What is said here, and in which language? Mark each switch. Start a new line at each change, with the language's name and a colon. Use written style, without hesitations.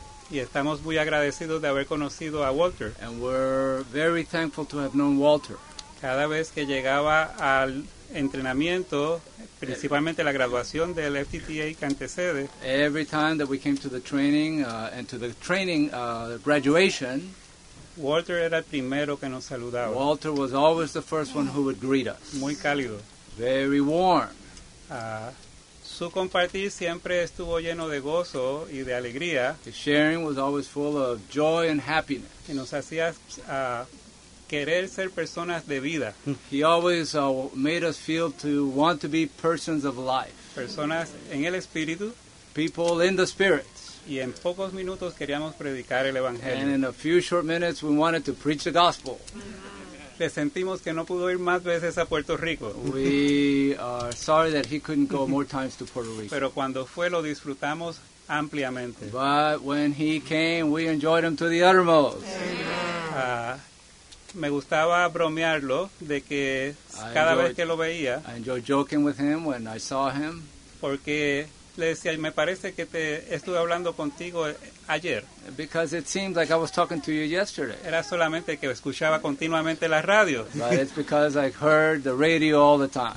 Spanish: Y estamos muy agradecidos de haber conocido a Walter.
English: And we're very thankful to have known Walter.
Spanish: Cada vez que llegaba al entrenamiento, principalmente la graduación del FTTA que antecede.
English: Every time that we came to the training and to the training graduation,
Spanish: Walter era el primero que nos saludaba.
English: Walter was always the first one who would greet us.
Spanish: Muy cálido.
English: Very warm.
Spanish: Su compartir siempre estuvo lleno de gozo y de alegría.
English: His sharing was always full of joy and happiness.
Spanish: Y nos hacía querer ser personas de vida.
English: He always made us feel to want to be persons of life.
Spanish: Personas en el espíritu.
English: People in the spirit.
Spanish: Y en pocos minutos queríamos predicar el evangelio.
English: And in a few short minutes we wanted to preach the gospel.
Spanish: Le sentimos que no pudo ir más veces a Puerto Rico.
English: We are sorry that he couldn't go more times to Puerto Rico.
Spanish: Pero cuando fue lo disfrutamos ampliamente.
English: But when he came, we enjoyed him to the uttermost.
Spanish: Me gustaba bromearlo de que cada vez que lo veía.
English: I enjoyed joking with him when I saw him.
Spanish: Porque le decía, me parece que te estuve hablando contigo ayer.
English: Because it seemed like I was talking to you yesterday.
Spanish: Era solamente que escuchaba continuamente la radio.
English: But it's because I heard the radio all the time.